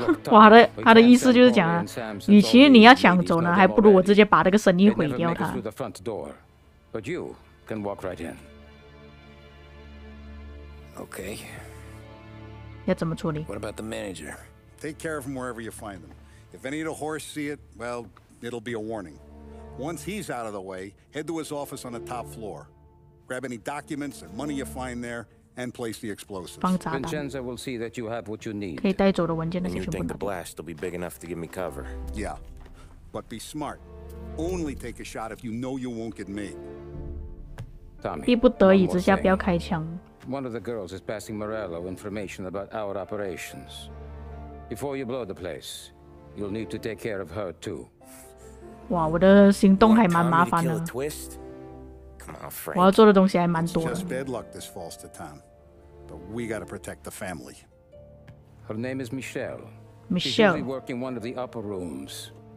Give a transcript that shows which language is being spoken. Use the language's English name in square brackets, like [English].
[Chinese] 哇，他的意思就是讲啊，与其你要抢走呢，还不如我直接把这个生意毁掉他。 [English] Through the front door, but you can walk right in. Okay. [Chinese] 要怎么处理 [English] ？What about the manager? Take care of him wherever you find him. If any of the horse see it, well, it'll be a warning. Once he's out of the way, head to his office on the top floor. Grab any documents and money you find there, and place the explosives. [Chinese] 放炸弹。 [English] Vincenzo will see that you have what you need. [Chinese] 可以带走的文件那些全部。 [English] When you think the blast will be big enough to give me cover? Yeah. But be smart. Only take a shot if you know you won't get made. Tommy, [Chinese] 逼不得已之下, [English] one more thing. One of the girls is passing Morello information about our operations. Before you blow the place, you'll need to take care of her too. [Chinese] 哇, 我的行动还蛮麻烦的。 [English] Want Tommy to kill a twist? [Chinese] 我要做的东西还蛮多的。 [English] It's just bad luck this falls to Tom. But we gotta protect the family. Her name is Michelle. Michelle. She's usually working one of the upper rooms.